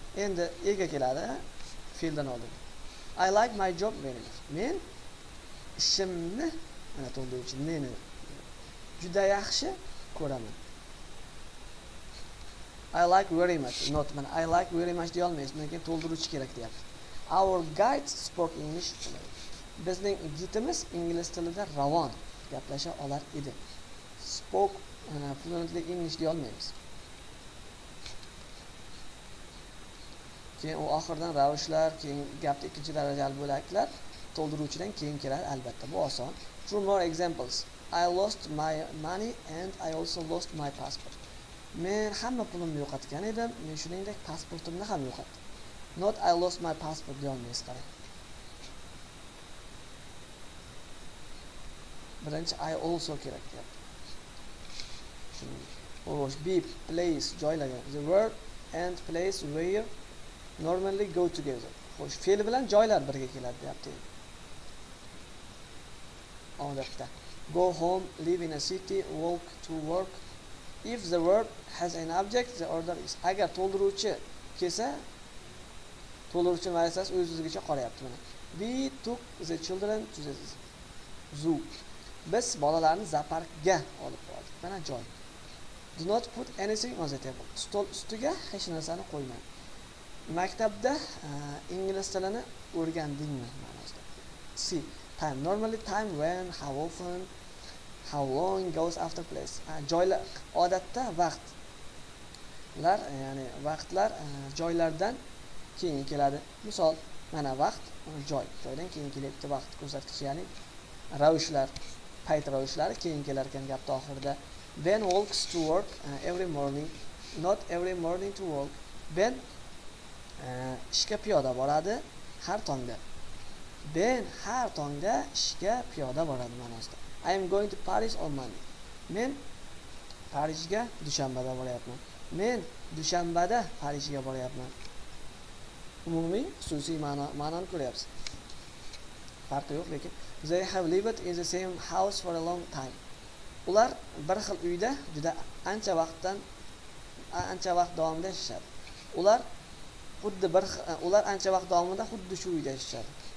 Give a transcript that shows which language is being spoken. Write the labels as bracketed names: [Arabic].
[Uzbek] Endi ega keladi fe'ldan oldin. [English] I like my job very much. [Uzbek] Men ishimni mana to'ldiruvchi meni juda yaxshi ko'raman. [English] I like very much. Not man. I like very much the almost. [Uzbek] Men keyin to'ldiruvchi kerak deyapti. [English] Our guide spoke English. [Uzbek] Bizning gidimiz ingliz tilida ravon gaplasha olar edi. [English] Spoke fluently English [Uzbek] deya olmaymiz. Keyin u oxirdan ravishlar, keyin gapni ikkinchi darajali bo'laklar to'ldiruvchidan keyin kelar albatta. Bu oson. [English] Two more examples. I lost my money and I also lost my passport. [Uzbek] Men hamma pulimni yo'qotgan edim, men shuningdek pasportimni ham yo'qotdim. [English] Not I lost my passport [Uzbek] deya olmaysiz qarang. Birinchi [English] I also [Uzbek] kerak deyapti. Xo'sh, be, place, joylagan. [English] The verb and place where normally go together. [Uzbek] Xo'sh, fe'l bilan joylar birga keladi deyapti. Odatda. [English] Go home, live in a city, walk to work. If the verb has an object, the order is. [Uzbek] Agar to'ldiruvchi kelsa, to'ldiruvchi vazifasi o'z-o'zigicha qarayapti mana. [English] We took the children to the zoo. [Uzbek] Biz bolalarni zooparkga olib bordik. Mana joy. [English] Do not put anything on the table. [Uzbek] Stol ustiga hech narsani qo'ymang. Maktabda ingliz tilini o'rgandingmi? Ma'nosida. [English] See, time. Normally time when, how often, how long goes after place. [Uzbek] Joylar odatda vaqt. Ular, ya'ni vaqtlar joylardan keyin keladi. Misol, mana vaqt, joy. Joydan keyin kelyapti vaqt ko'rsatkichi, ya'ni ravishlar. Qaytaro ishlari keyin kelarkan gapni oxirida. [English] Ben walks to work every morning. Not every morning to walk. [Uzbek] Ben ishga piyoda boradi har tongda. Ben har tongda ishga piyoda boradi ma'nosida. [English] I am going to Paris on Monday. [Uzbek] Men Parijga dushanbada boryapman. Men dushanbada Parijga boryapman. Umumiy xususiy ma'noni ko'ryapsiz. Farqi yo'q lekin. [English] They have lived in the same house for a long time. [Uzbek] Ular bir xil uyda juda ancha vaqtdan ancha vaqt davomida yashashadi. Ular xuddi bir xil, ular ancha vaqt davomida xuddi shu uyda yashashadi.